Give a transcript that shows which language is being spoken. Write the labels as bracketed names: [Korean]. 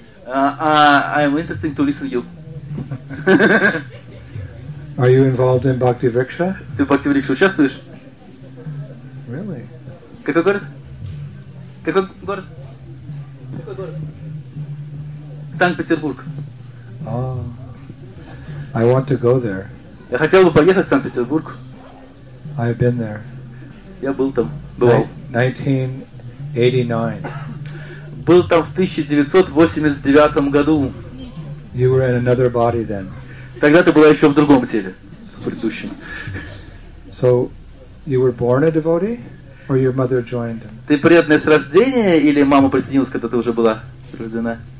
[English] I'm interested to listen to you. Are you involved in Bhaktivriksha? [Russian] Ты в Бхактивриксе участвуешь? [English] Really? [Russian] Какой город? Какой город? Какой город? Санкт-Петербург. [English] Oh. I want to go there. [Russian] Я хотел бы поехать в Санкт-Петербург. [English] I've been there. [Russian] Я был там. Бывал. 1989. Был там в 1989 году. [English] You were in another body then. [Russian] Тогда ты была еще в другом теле, в предыдущем. [English] So, you were born a devotee, or your mother joined him? [Russian] Ты преданная с рождения или мама присоединилась, когда ты уже была рождена?